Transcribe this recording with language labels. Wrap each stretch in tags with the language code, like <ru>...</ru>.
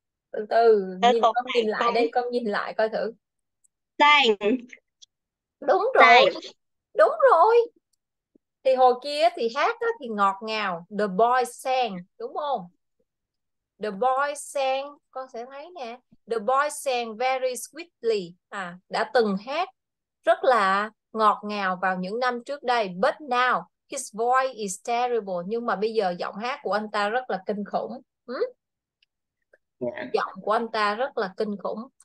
<vi>Từ từ, nhìn còn con nhìn lại đây, con nhìn lại coi thử. phải Đúng không rồi. Đúng rồi. Thì hồi kia thì hát đó, thì ngọt ngào.</vi> <en>The boy sang,</en> <vi>đúng không?</vi> <en>The boy sang,</en> <vi>con sẽ thấy nè.</vi> <en>The boy sang very sweetly.</en> <vi>À, đã từng hát rất là ngọt ngào vào những năm trước đây.</vi> <en>But now, his voice is terrible.</en> <vi>Nhưng mà bây giờ giọng hát của anh ta rất là kinh khủng. Giọng của anh ta rất là kinh khủng.</vi>